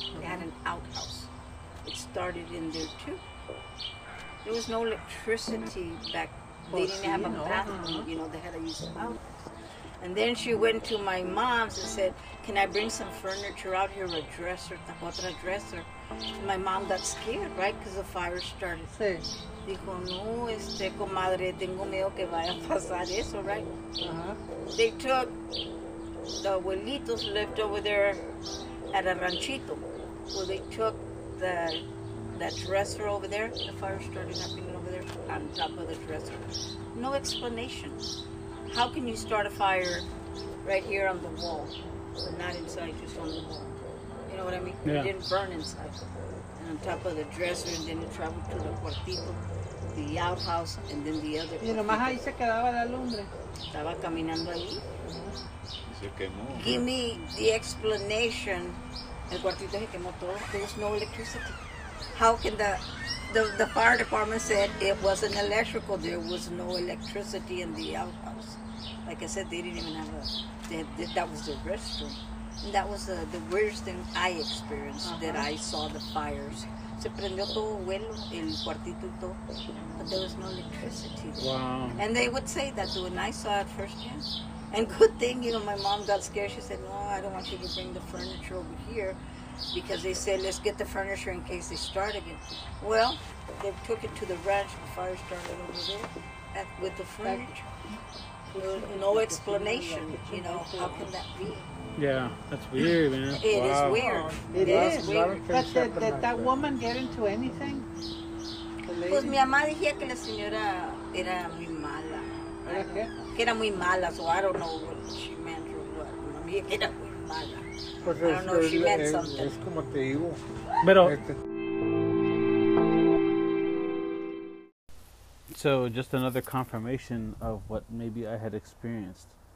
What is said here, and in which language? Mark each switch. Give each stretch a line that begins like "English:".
English: They had an outhouse. It started in there too. There was no electricity back. They didn't have a bathroom. You know, they had to use the outhouse. And then she went to my mom's and said, can I bring some furniture out here, a dresser, otra dresser? And my mom got scared, right? Because the fire started.
Spanish: Sí. Dijo, no, comadre, tengo miedo que vaya a pasar eso, right?
English: They took the abuelitos lived over there at a ranchito. Well, they took that dresser over there. The fire started happening over there on top of the dresser. No explanation. How can you start a fire right here on the wall, but not inside, just on the wall? You know what I mean? Yeah. It didn't burn inside. And on top of the dresser, and then it traveled to the cuartito, the outhouse, and then the other.
Spanish: Y nomás ahí se quedaba la lumbre. Estaba caminando ahí. Se quemó.
English: Give me the explanation.
Spanish: El cuartito se quemó todo.
English: There was no electricity. How can the fire department said it wasn't electrical. There was no electricity in the outhouse. Like I said, they didn't even have that was their restroom. And that was the weirdest thing I experienced, that I saw the fires.
Spanish: Se prendió todo vuelo, el cuartito y todo.
English: But there was no electricity there. Wow. And they would say that when I saw it firsthand. And good thing, you know, my mom got scared. She said, no, I don't want you to bring the furniture over here. Because they said, let's get the furniture in case they start again. Well, they took it to the ranch. The fire started over there with the furniture. No explanation, you know, how can that be? Yeah, that's weird, man. It is weird. But did that woman get into anything?
Spanish: Pues mi mamá decía que la señora era muy mala. Que era muy mala,
English: so I don't know what she meant or what.
Spanish: Era muy mala. Pues
English: I don't know if she meant something.
Spanish: Es como te digo. Pero
English: So just another confirmation of what maybe I had experienced.